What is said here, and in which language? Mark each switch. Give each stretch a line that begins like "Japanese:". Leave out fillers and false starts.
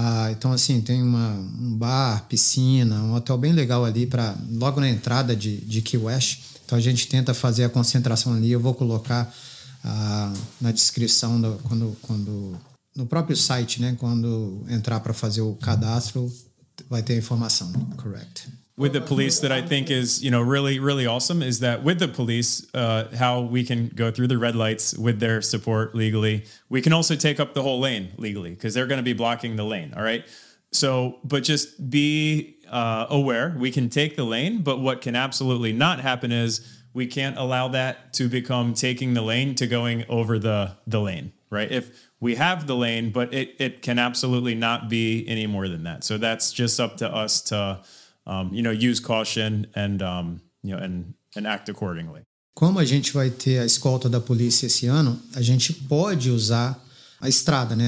Portuguese: Então, assim, tem um bar, piscina, um hotel bem legal ali para logo na entrada de Key West. Então, a gente tenta fazer a concentração ali. Eu vou colocar na descrição, quando no próprio site, né? Quando entrar para fazer o cadastro, vai ter a informação.
English: Correct. With the police, that I think is, you know, really, really awesome, is that with the police, how we can go through the red lights with their support legally. We can also take up the whole lane legally because they're going to be blocking the lane. All right. So, but just be aware, we can take the lane, but what can absolutely not happen is we can't allow that to become taking the lane to going over the lane, right? If we have the lane, but it can absolutely not be any more than that. So that's just up to us to you know, use caution and act accordingly.
Portuguese: Como a gente vai ter a escolta da polícia esse ano, a gente pode usar a estrada, né?